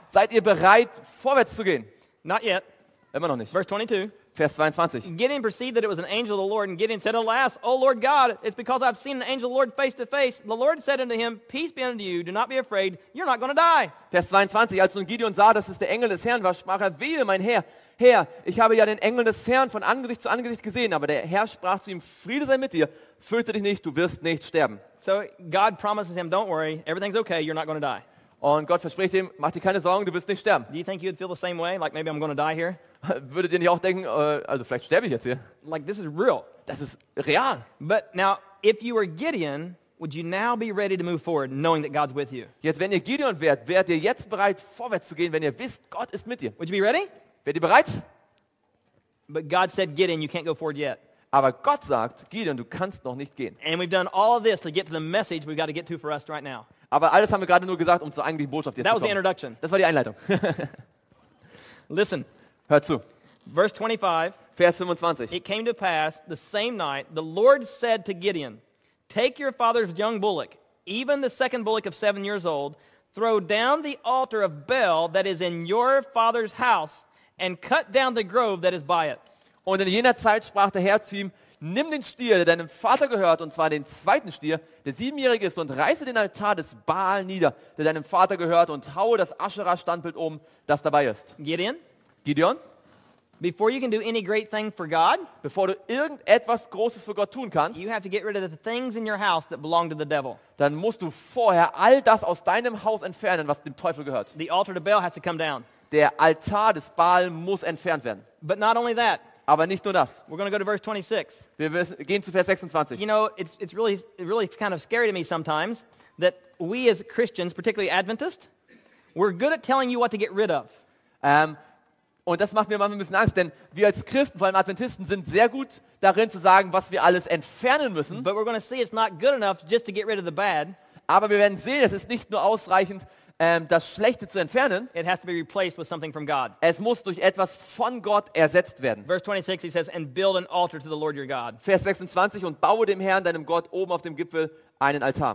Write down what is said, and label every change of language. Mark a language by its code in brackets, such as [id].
[de] Seid ihr bereit, vorwärts zu gehen? [en] Not yet. [de] Immer noch nicht. [en] Verse 22. [de] Vers 22. [en] Gideon perceived that it was an angel of the Lord, and Gideon said, alas, O Lord God, it's because I've seen an angel of the Lord face to face. The Lord said unto him, peace be unto you, do not be afraid, you're not going to die. [de] Vers 22, als nun Gideon sah, dass es der Engel des Herrn war, sprach er, wehe, mein Herr, Herr, ich habe ja den Engel des Herrn von Angesicht zu Angesicht gesehen, aber der Herr sprach zu ihm, Friede sei mit dir, fürchte dich nicht, du wirst nicht sterben. [en] So God promises him, don't worry, everything's okay, you're not going to die. [de] Und Gott verspricht ihm, mach dir keine Sorgen, du wirst nicht sterben. [en] Do you think you'd feel the same way, like maybe I'm going to die here? [de] Würdet ihr nicht auch denken, also vielleicht sterbe ich jetzt hier? [en] Like this is real. [de] Das ist real. [en] But now, if you were Gideon, would you now be ready to move forward, knowing that God's with you? [de] Jetzt, wenn ihr Gideon wärt, wärt ihr jetzt bereit, vorwärts zu gehen, wenn ihr wisst, Gott ist mit dir? [en] Would you be ready? [de] Wärt ihr bereit? [en] But God said, Gideon, you can't go forward yet. [de] Aber Gott sagt, Gideon, du kannst noch nicht gehen. [en] And we've done all of this to get to the message we've got to get to for us right now. [de] Aber alles haben wir gerade nur gesagt, um zur eigentlichen Botschaft jetzt zu kommen. [en] That was the introduction. [de] Das war die Einleitung. [en] Listen. [de] Hör zu. [en] Verse 25. [de] Vers 25. [en] It came to pass the same night the Lord said to Gideon, take your father's young bullock, even the second bullock of 7 years old, throw down the altar of Baal that is in your father's house and cut down the grove that is by it. [de] Und in jener Zeit sprach der Herr zu ihm, nimm den Stier, der deinem Vater gehört, und zwar den zweiten Stier, der siebenjährig ist, und reiße den Altar des Baal nieder, der deinem Vater gehört, und haue das Aschera-Standbild um, das dabei ist. Gideon? Gideon? [en] Before you can do any great thing for God, [de] bevor du irgendetwas Großes für Gott tun kannst, [en] you have to get rid of the things in your house that belong to the devil. [de] Dann musst du vorher all das aus deinem Haus entfernen, was dem Teufel gehört. [en] The altar to Baal has to come down. [de] Der Altar des Baal muss entfernt werden. [en] But not only that. [de] Aber nicht nur das. [en] We're going to go to verse 26. [de] Wir gehen zu Vers 26. [en] You know, it's really kind of scary to me sometimes that we as Christians, particularly Adventists, we're good at telling you what to get rid of. [de] Und das macht mir manchmal ein bisschen Angst, denn wir als Christen, vor allem Adventisten, sind sehr gut darin zu sagen, was wir alles entfernen müssen. [en] But we're going to see it's not good enough just to get rid of the bad. [de] Aber wir werden sehen, es ist nicht nur ausreichend, das Schlechte zu entfernen. [en] It has to be replaced with something from God. [de] Es muss durch etwas von Gott ersetzt werden. [en] Verse 26, he says, and build an altar to the Lord your God. [de] Vers 26, und baue dem Herrn, deinem Gott, oben auf dem Gipfel einen Altar.